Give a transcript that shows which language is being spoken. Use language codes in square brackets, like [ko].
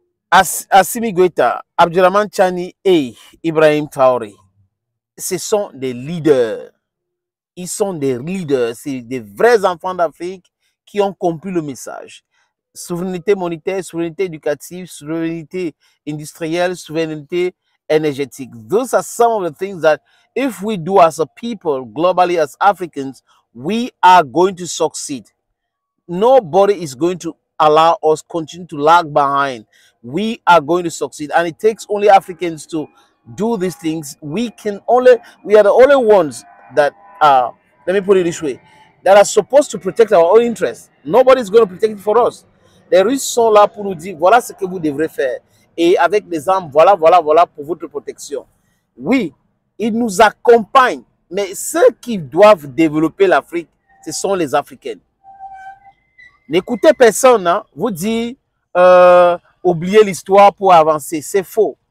[fr] Assimi Goïta, Abdurrahman Tchiani et Ibrahim Traoré, ce sont des leaders. Ils sont des leaders, c'est des vrais enfants d'Afrique qui ont compris le message. Souveraineté monétaire, souveraineté éducative, souveraineté industrielle, souveraineté energetic. [en] Those are some of the things that if we do as a people globally as Africans, we are going to succeed. Nobody is going to allow us continue to lag behind. We are going to succeed. And it takes only Africans to do these things. We are the only ones that are, let me put it this way, that are supposed to protect our own interests. Nobody is going to protect it for us. [fr] Les Russes sont là pour nous dire, voilà ce que vous devrez faire. Et avec les armes, voilà pour votre protection. Oui, ils nous accompagnent, mais ceux qui doivent développer l'Afrique, ce sont les Africains. N'écoutez personne, hein, vous dit oubliez l'histoire pour avancer. C'est faux.